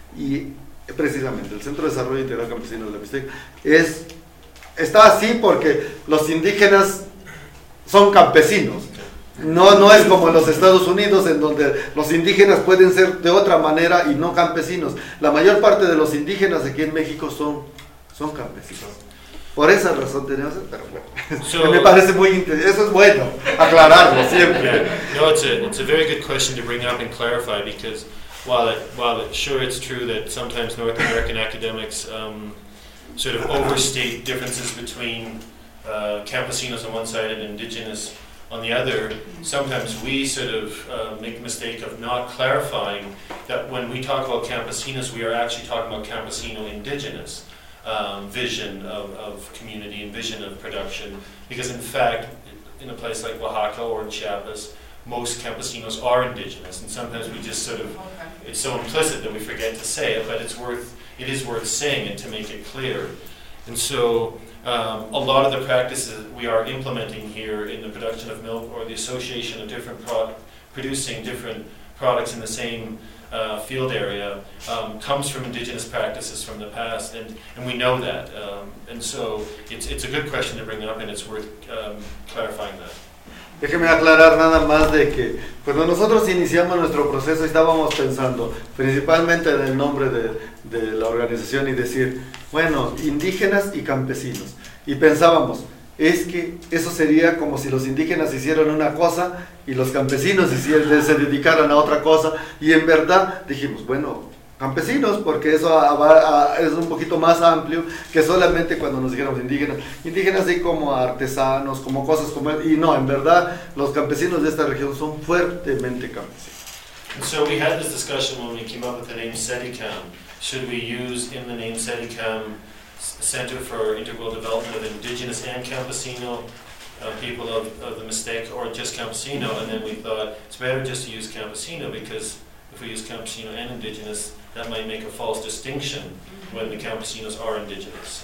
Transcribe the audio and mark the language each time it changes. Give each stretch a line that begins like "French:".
Spanish: Y precisamente el Centro de Desarrollo Integral Campesino de la Mixteca está así porque los indígenas son campesinos. No es como en los Estados Unidos, en donde los indígenas pueden ser de otra manera y no campesinos. La mayor parte de los indígenas aquí en México son campesinos. Por esa razón tenemos, pero bueno, me parece muy interesante. Eso es bueno, aclararlo siempre.
English: Yeah. No, it's a very good question to bring up and clarify, because while it sure it's true that sometimes North American academics sort of overstate differences between campesinos on one side and indigenous on the other, sometimes we sort of make the mistake of not clarifying that when we talk about campesinos, we are actually talking about campesino indigenous vision of community and vision of production. Because in fact, in a place like Oaxaca or in Chiapas, most campesinos are indigenous. And sometimes we just sort of, it's so implicit that we forget to say it, but it is worth saying it to make it clear. And so a lot of the practices we are implementing here in the production of milk, or the association of different producing different products in the same field area, comes from indigenous practices from the past, and we know that. And so it's a good question to bring up, and it's worth clarifying that.
Spanish: Déjeme aclarar nada más de que cuando nosotros iniciamos nuestro proceso estábamos pensando principalmente en el nombre de la organización y decir, bueno, indígenas y campesinos. Y pensábamos, es que eso sería como si los indígenas hicieran una cosa y los campesinos se dedicaran a otra cosa. Y en verdad dijimos, bueno, campesinos, porque eso es un poquito más amplio que solamente cuando nos dijéramos indígenas. Indígenas así como artesanos, como cosas como... Y no, en verdad, los campesinos de esta región son fuertemente campesinos.
English: So we had this discussion when we came up with the name SETICAM. Should we use in the name SETICAM Center for Integral Development of Indigenous and Campesino People of the Mixteca, or just Campesino? And then we thought it's better just to use Campesino, because if we use campesino and indigenous, that might make a false distinction when the campesinos are indigenous.